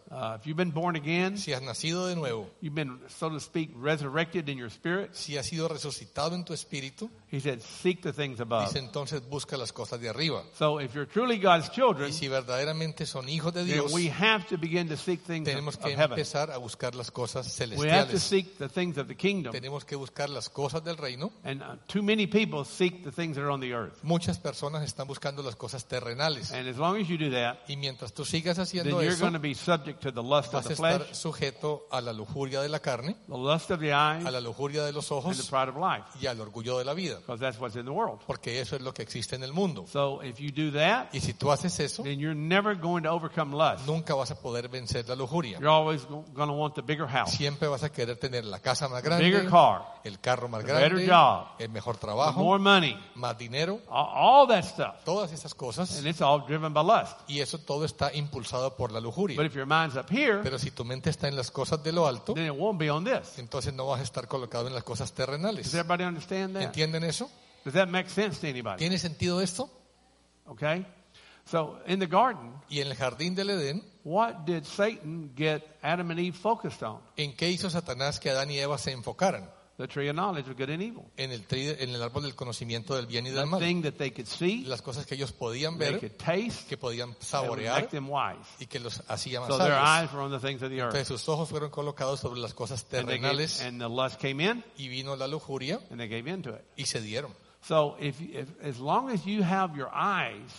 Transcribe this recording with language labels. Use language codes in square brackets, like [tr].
[en] if you've been born again, [es] si has nacido de nuevo, [en] you've been, so to speak, resurrected in your spirit, [es] si has sido resucitado en tu espíritu, [en] he said, seek the things above. [es] Dice, entonces busca las cosas de arriba. [en] So if you're truly God's children, [es] y si verdaderamente son hijos de Dios, [en] then we have to begin to seek things of heaven. [es] Tenemos que empezar a buscar las cosas celestiales. [en] We have to seek the things of the kingdom. [es] Tenemos que buscar las cosas del reino. [en] And too many people seek the things that are on the earth. [es] Muchas personas están buscando las cosas terrenales. [en] And as long as you do that, [es] y mientras tú sigas haciendo [en] then you're going to be subject to the lust of the flesh, [es] vas a estar sujeto a la lujuria de la carne, [en] the lust of the eyes, [es] a la lujuria de los ojos, [en] and the pride of life, [es] y al orgullo de la vida, [en] because that's what's in the world. [es] Porque eso es lo que existe en el mundo. [en] So if you do that, [es] y si tú haces eso, [en] then you're never going to overcome lust. [es] Nunca vas a poder vencer la lujuria. [en] You're always going to want the bigger house. [es] Siempre vas a querer tener la casa más grande, [en] bigger car, [es] el carro más [en] the [es] grande, [en] better job, [es] el mejor trabajo, [en] more money, [es] más dinero, [en] all that stuff. [es] Todas esas cosas. [en] And it's all driven by lust. [es] Y eso todo está impulsado por la lujuria. [en] But if your mind's up here, [es] pero si tu mente está en las cosas de lo alto, [en] then it won't be on this. [es] Entonces no vas a estar colocado en las cosas terrenales. [en] Does everybody understand that? [es] ¿Entienden eso? [en] Does that make sense to anybody? [es] ¿Tiene sentido esto? [en] Okay. So in the garden, [es] y en el jardín del Edén, [en] what did Satan get Adam and Eve focused on? [es] ¿En qué hizo Satanás que Adán y Eva se enfocaran? [en] The tree of knowledge of good and evil. [es] En el árbol del conocimiento del bien y del mal. [en] The thing that they could see. [es] Las cosas que ellos podían ver. [en] They could taste. [es] Que podían saborear. [en] Make them wise. [es] Y que los hacía más [en] so [es] sabios. [en] So their eyes were on the things of the earth. [es] Entonces sus ojos fueron colocados sobre las cosas terrenales. [en] And the lust came in. [es] Y vino la lujuria. [en] And they gave into it. [es] Y se dieron. [en] So if as long as you have your eyes.